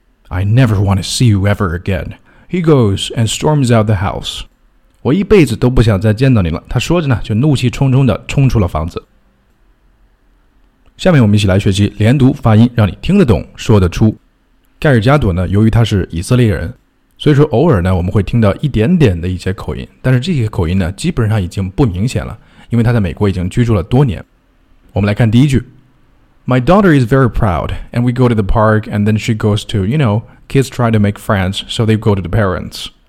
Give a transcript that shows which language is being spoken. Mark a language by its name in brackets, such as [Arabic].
[English] I never want to see you ever again. He goes and storms out the house. [Chinese] 我一辈子都不想再见到你了。他说着呢就怒气冲冲地冲出了房子。下面我们一起来学习连读发音，让你听得懂说得出。盖尔加朵呢由于他是以色列人，所以说偶尔呢我们会听到一点点的一些口音，但是这些口音呢基本上已经不明显了，因为他在美国已经居住了多年。我们来看第一句。 [English] My daughter is very proud, and we go to the park, and then she goes to, you know, kids try to make friends, so they go to the parents.